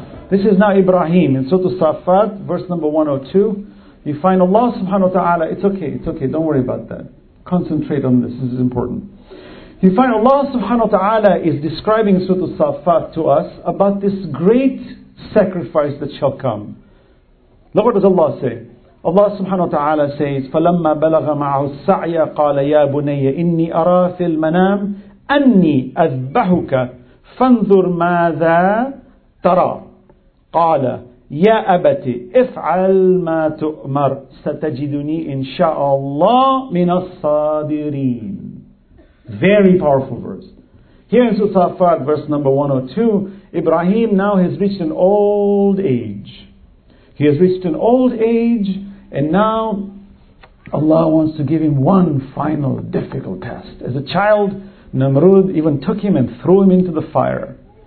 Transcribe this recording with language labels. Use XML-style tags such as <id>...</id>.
<en>This is now Ibrahim in Surah As-Saffat, verse number 102. You find Allah subhanahu wa ta'ala, it's okay, don't worry about that. Concentrate on this is important. You find Allah subhanahu wa ta'ala is describing Surah As-Saffat to us about this great sacrifice that shall come. Look, what does Allah say? Allah subhanahu wa ta'ala says,</en> <ar>فَلَمَّا بَلَغَ مَعَهُ السَّعْيَ قَالَ يَا بُنَيَّ إِنِّي أَرَى فِي الْمَنَامِ أَنِّي أَذْبَحُكَ فَانْظُرْ مَاذَا تَرَى قَالَ يَا أَبَتِ اِفْعَلْ مَا تُؤْمَرْ سَتَجِدُنِي إِنْ شَاءَ اللَّهِ مِنَ الصَّادِرِينَ.</ar> <en>Very powerful verse. Here in Surah Safat, verse number 102, Ibrahim now has reached an old age. He has reached an old age, and now Allah wants to give him one final difficult test. As a child, Namrud even took him and threw him into the fire.</en>